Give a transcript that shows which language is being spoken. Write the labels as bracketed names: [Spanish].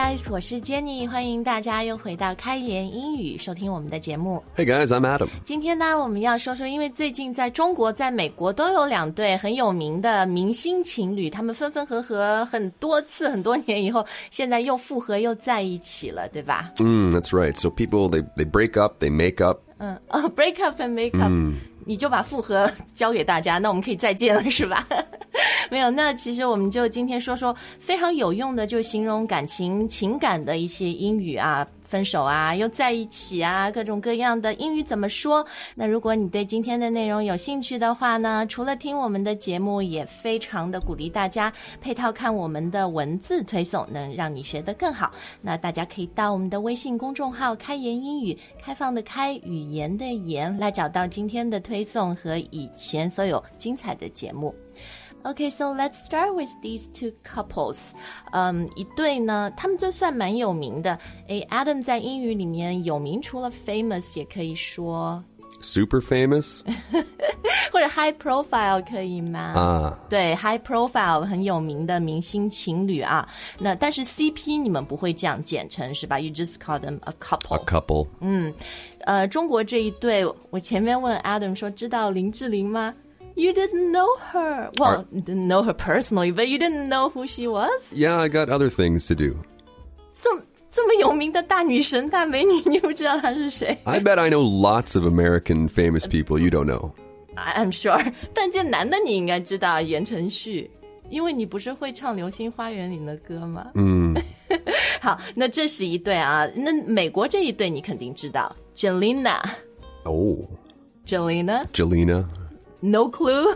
[Chinese] 我是 Jenny， 欢迎大家又回到开言英语，收听我们的节目。 [English] Hey guys, I'm Adam。 [Chinese] 今天呢，我们要说说，因为最近在中国、在美国都有两对很有名的明星情侣，他们分分合合很多次，很多年以后，现在又复合又在一起了，对吧？ [English] That's right. So people they break up, they make up. Break up and make up. [Chinese] 你就把复合交给大家，那我们可以再见了，是吧？没有，那其实我们就今天说说非常有用的，就形容感情情感的一些英语啊，分手啊，又在一起啊，各种各样的英语怎么说。那如果你对今天的内容有兴趣的话呢，除了听我们的节目，也非常的鼓励大家配套看我们的文字推送，能让你学得更好。那大家可以到我们的微信公众号开言英语，开放的开，语言的言，来找到今天的推送和以前所有精彩的节目。 [English] Okay, so let's start with these two couples. [Chinese] 一对呢，他们就算蛮有名的。 Adam 在英语里面有名，除了 famous 也可以说 [English] super famous， [Chinese] 或者 high profile 可以吗？对 ，high profile 很有名的明星情侣啊。那但是 CP 你们不会这样简称是吧 ？ [English] You just call them a couple. A couple. [Chinese] 中国这一对，我前面问 Adam 说，知道林志玲吗？ [English] You didn't know her. Well, you didn't know her personally, but you didn't know who she was. Yeah, I got other things to do. [Chinese] 这么有名的大女神、大美女，你不知道她是谁？ [English] I bet I know lots of American famous people you don't know. I'm sure. [Chinese] 但这男的你应该知道，言承旭，因为你不是会唱《流星花园》里的歌吗？好，那这是一对啊。那美国这一对你肯定知道 ，Jelena. [English] Oh. Jelena. Jelena. No clue?